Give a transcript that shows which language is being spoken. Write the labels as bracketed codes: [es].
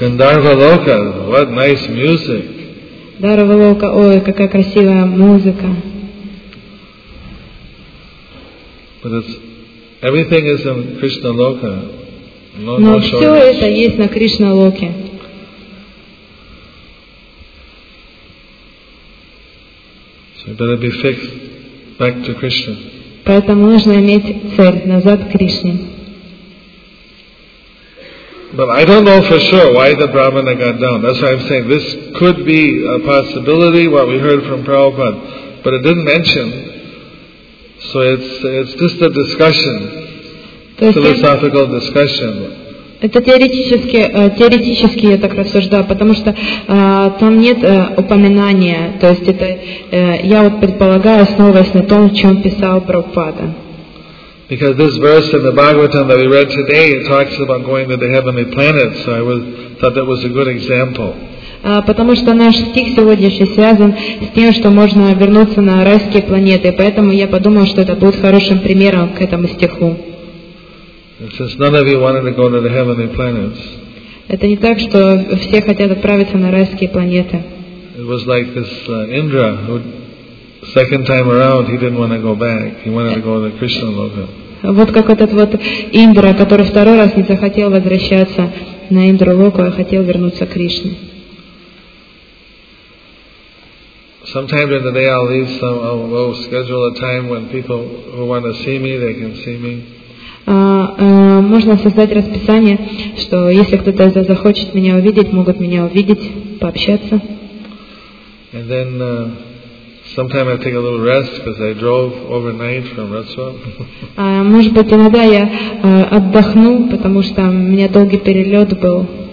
[en] Гандарвалока, what nice music. [ru] Дарвалока, какая красивая музыка. [en] But it's, everything is in Krishna Loka. No, [ru] но [en] no [ru] все это есть на Кришна Локе. [en] So it better be fixed back to Krishna. [ru] Поэтому нужно иметь цель назад к Кришне. [en] But I don't know for sure why the Brahmana got down. That's why I'm saying this could be a possibility what we heard from Prabhupada, but it didn't mention. So it's just a discussion, philosophical discussion. [ru] Это теоретически я так рассуждаю, потому что там нет упоминания, то есть это я вот предполагаю, основываясь на том, о чем писал Прабхупада. [en] Because this verse in the Bhagavatam that we read today, it talks about going to the heavenly planet, so I was, thought that was a good example. [ru] Потому что наш стих сегодняшний связан с тем, что можно вернуться на райские планеты, поэтому я подумал, что это будет хорошим примером к этому стиху. [en] Since none of you wanted to go to the heavenly planets. [ru] Это не так, что все хотят отправиться на райские планеты. [en] It was like this Indra, who second time around he didn't want to go back. He wanted to go to the Krishna Loka. [ru] Вот как этот вот Индра, который второй раз не захотел возвращаться на Индру Локу, а хотел вернуться к Кришне. [en] Sometime during the day I'll leave some. I'll schedule a time when people who want to see me, they can see me. [ru] Можно создать расписание, что если кто-то захочет меня увидеть, могут меня увидеть, пообщаться. [en] And then sometimes I take a little rest because I drove overnight from Ratswap. [ru] Может быть, иногда я отдохну, потому что у меня долгий перелет был.